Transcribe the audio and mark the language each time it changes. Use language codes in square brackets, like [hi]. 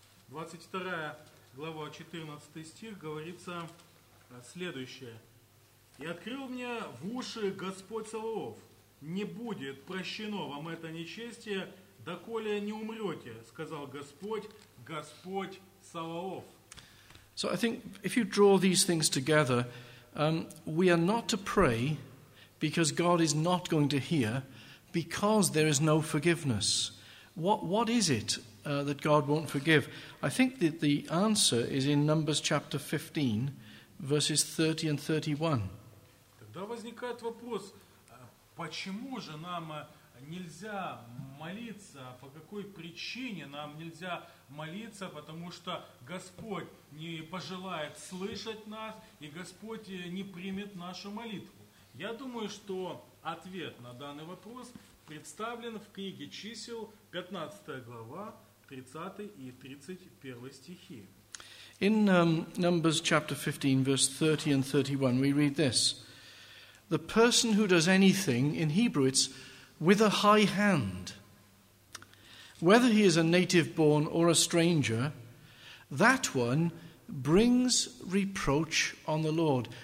[ru] 22 глава 14 стих говорится следующее. «И открыл мне в уши Господь Саваоф, не будет прощено вам это нечестие, доколе не умрете, сказал Господь, Господь Саваоф». [en] So I think if you draw these things together, We are not to pray because God is not going to hear, because there is no forgiveness. What is it that God won't forgive? I think that the answer is in Numbers chapter 15, verses 30 and 31. [ru] Тогда возникает вопрос, почему же нам нельзя молиться, по какой причине нам нельзя молиться, потому что Господь не пожелает слышать нас, и Господь не примет нашу молитву. Я думаю, что ответ на данный вопрос представлен в книге чисел, 15 глава, 30 и 31 стихи. [en] In Numbers chapter 15, verse 30 and 31, we read this. The person who does anything, in Hebrew it's with a high hand, whether he is a native born or a stranger, that one brings reproach on the Lord.